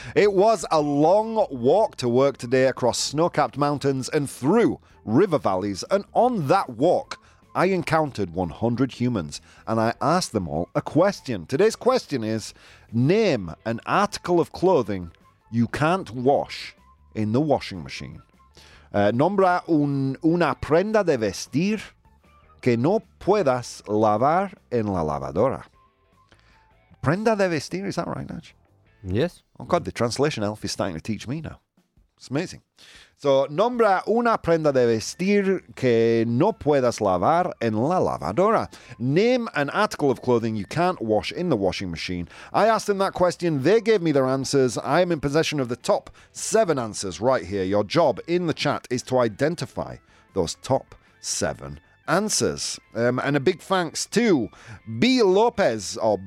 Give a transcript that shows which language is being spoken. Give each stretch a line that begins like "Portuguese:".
English: It was a long walk to work today across snow-capped mountains and through river valleys. And on that walk, I encountered 100 humans, and I asked them all a question. Today's question is, name an article of clothing you can't wash in the washing machine.
Spanish: Nombra una prenda de vestir que no puedas lavar en la lavadora. Prenda de vestir,
English: is that right, Nach? Yes. Oh, God, the translation elf is starting to teach me now. It's amazing.
Spanish: So, nombra una prenda de vestir que no puedas lavar en la lavadora.
English: Name an article of clothing you can't wash in the washing machine. I asked them that question. They gave me their answers. I am in possession of the top 7 answers right here. Your job in the chat is to identify those top 7 answers. And a big thanks to B. Lopez,